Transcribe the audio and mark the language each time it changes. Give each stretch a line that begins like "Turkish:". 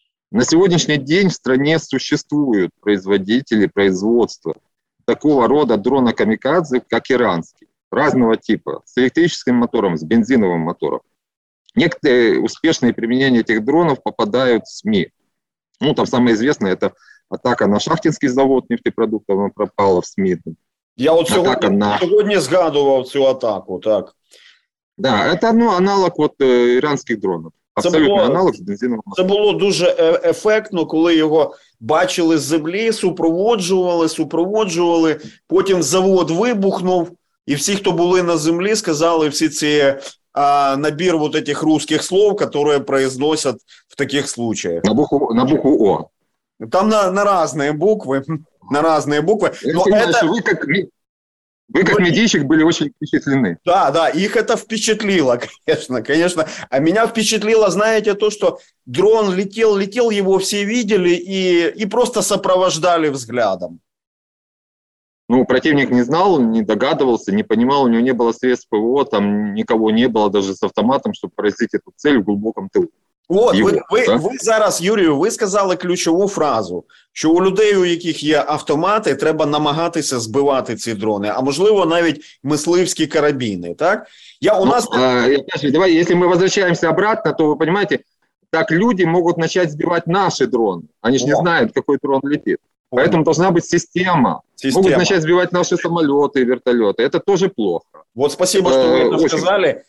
Russian: На сегодняшний день в стране существуют производители производства такого рода дрона камикадзе, как иранский, разного типа, с электрическим мотором, с бензиновым мотором. Некоторые успешные применения этих дронов попадают в СМИ. Ну, там самое известное – это атака на шахтинский завод нефтепродуктов, она пропала в СМИ.
Ukrainian: Я вот сьогодні згадував цю атаку, так.
Russian: Да, это аналог от иранских дронов. Абсолютно аналог бензинового
Ukrainian: мотора. Це було дуже ефектно, коли його бачили з землі, супроводжували, потім завод вибухнув, і всі, хто були на землі, сказали всі ці набір
Russian: вот этих русских слов, которые произносят в таких случаях. На букву О. Там на разные буквы. На разные буквы. Но я понимаю, что вы как медийщик были очень впечатлены. Да, да, их это впечатлило, конечно. А меня впечатлило, знаете, то, что дрон летел, его все видели и просто сопровождали взглядом. Ну, противник не знал, не догадывался, не понимал, у него не было средств ПВО, там никого не было даже с автоматом, чтобы поразить эту цель в глубоком тылу.
Ukrainian: От, ви зараз, Юрію, ви сказали ключову фразу, що у людей, у яких є автомати, треба намагатися збивати ці дрони, а можливо навіть мисливські карабіни, так? Якщо ми повертаємося обратно, то ви розумієте, так люди можуть почати збивати наші дрони, вони ж не знають, який дрон летить. Тому повинна бути система.
Russian: Могут начать сбивать наши самолеты, вертолеты. Это тоже плохо. Вот спасибо, что вы это сказали.